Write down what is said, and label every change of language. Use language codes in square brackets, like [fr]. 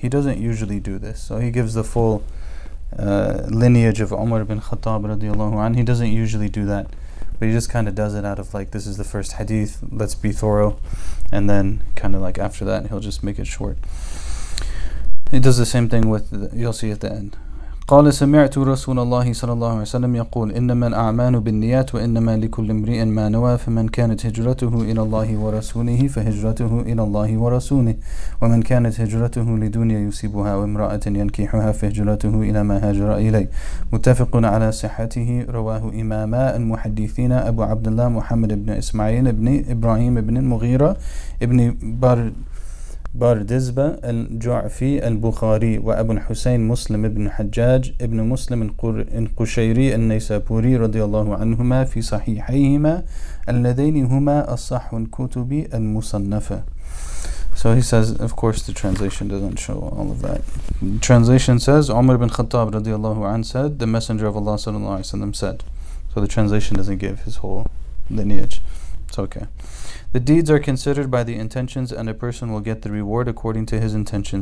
[en] He doesn't usually do this. So he gives the full lineage of Umar ibn Khattab radiallahu anhu. He doesn't usually do that. But he just kind of does it out of like, this is the first hadith, let's be thorough. And then kind of like after that, he'll just make it short. He does the same thing with, you'll see at the end. [ar] قال سمعت رسول الله صلى الله عليه وسلم يقول إنما الأعمال بالنيات وإنما لكل امرئ ما نوى فمن كانت هجرته إلى الله ورسوله فهجرته إلى الله ورسوله ومن كانت هجرته لدنيا يصيبها وامرأة ينكحها فهجرته إلى ما هاجر إليه متفق على صحته رواه إماما المحدثين أبو عبد الله محمد بن إسماعيل بن إبراهيم بن المغيرة بن باردزبة الجعفي البخاري وأبو الحسين مسلم بن حجاج ابن مسلم القشيري النيسابوري رضي الله عنهما في صحيحيهما اللذين هما الصح الكتب المصنفة. [en] So he says, of course the translation doesn't show all of that. The translation says, Umar ibn Khattab [ar] رضي الله عنه [en] said, the messenger of Allah [ar] صلى الله عليه وسلم [en] said. So the translation doesn't give his whole lineage. It's okay. The deeds are considered by the intentions, and a person will get the reward according to his intention.